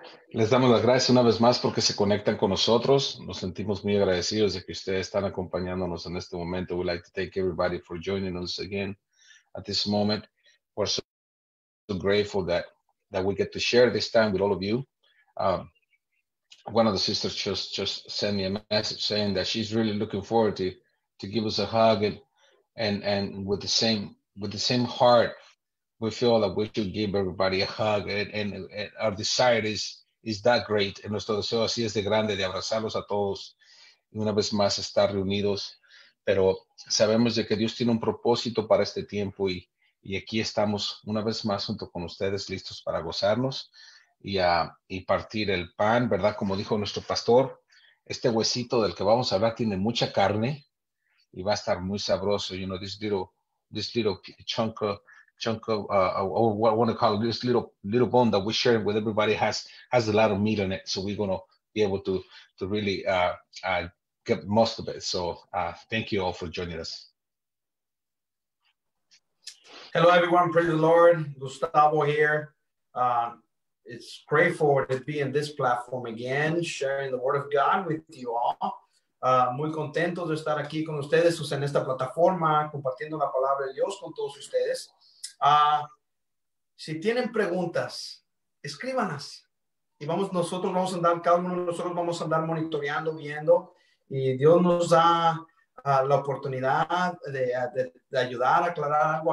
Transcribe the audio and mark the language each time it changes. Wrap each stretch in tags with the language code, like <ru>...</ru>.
<es>Les damos las gracias una vez más porque se conectan con nosotros. Nos sentimos muy agradecidos de que ustedes están acompañándonos en este momento.</es> <en>We'd like to thank everybody for joining us again at this moment. We're so grateful that we get to share this time with all of you. One of the sisters just sent me a message saying that she's really looking forward to give us a hug and with the same heart. We feel that we should give everybody a hug, and our desire is that great.</en> <es>And nuestro deseo así es de grande de abrazarlos a todos y una vez más estar reunidos. Pero sabemos de que Dios tiene un propósito para este tiempo y aquí estamos una vez más junto con ustedes listos para gozarnos y partir el pan, ¿verdad? Como dijo nuestro pastor, este huesito del que vamos a hablar tiene mucha carne y va a estar muy sabroso.</es> <en>You know, this little chunk of or what I want to call it, this little bone that we share with everybody has a lot of meat on it, so we're gonna be able to really get most of it. So thank you all for joining us. Hello everyone, praise the Lord. Gustavo here. It's grateful to be in this platform again, sharing the word of God with you all.</en> <es>Muy contento de estar aquí con ustedes en esta plataforma compartiendo la palabra de Dios con todos ustedes. Si tienen preguntas, escríbanlas y nosotros vamos a andar monitoreando, viendo, y Dios nos da la oportunidad de ayudar a aclarar algo.</es>